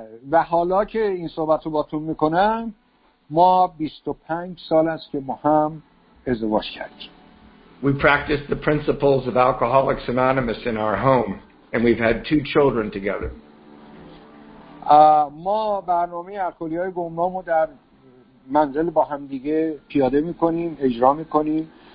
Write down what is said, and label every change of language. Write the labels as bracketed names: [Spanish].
[Persian] و حالا که این صحبت رو با تون میکنم ما 25 سال است که ما هم ازدواج کردیم. [English] We practice the principles of Alcoholics Anonymous in our home and we've had two children together. [Persian] ما برنامه الکلی‌های گمنام رو در منزل با هم دیگه پیاده می‌کنیم، اجرا می‌کنیم.